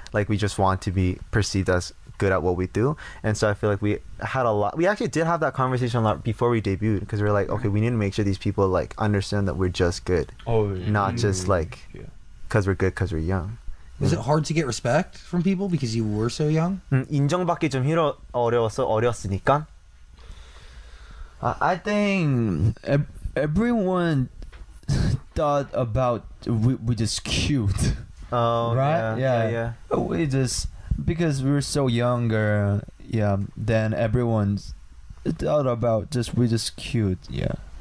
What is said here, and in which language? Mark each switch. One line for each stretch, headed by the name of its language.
English: Like, we just want to be perceived as good at what we do. And so I feel like we actually did have that conversation a lot before we debuted, because we're like, okay, we need to make sure these people like understand that we're just good. Oh, not just like because we're good because we're young. Was it hard to get respect from people because you were so young?
Korean: 인정받기 좀 어려웠으니까.
English: I think everyone thought about we just cute. Oh, right? Yeah. We just, because we're so younger, yeah, then everyone's thought about just, we're just cute, yeah.